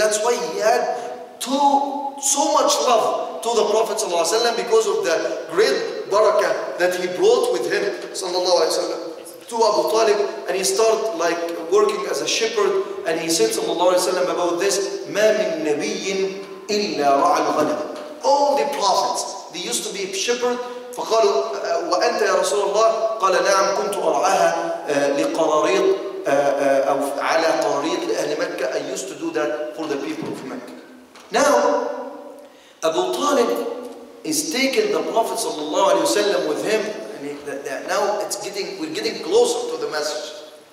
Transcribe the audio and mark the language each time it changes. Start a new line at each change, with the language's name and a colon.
English: That's why he had so much love to the Prophet sallallahu alayhi wa sallam, because of the great barakah that he brought with him sallallahu alayhi wa sallam to Abu Talib. And he started like working as a shepherd, and he said sallallahu alayhi wa sallam about this,
Arabic: مَا مِن نَبِيٍ إِلَّا رَعَ الْغَنَمِ.
English: All the prophets, they used to be shepherds.
Arabic: فقالوا وأنت يا رسول الله قال نعم كنت أرعاها لقراريط أو على قراريط لأهل مكة.
English: I used to do that for the people of Mecca. Now Abu Talib is taking the Prophet
Arabic: صلى الله عليه وسلم
English: with him, and now it's getting, we're getting closer to the message.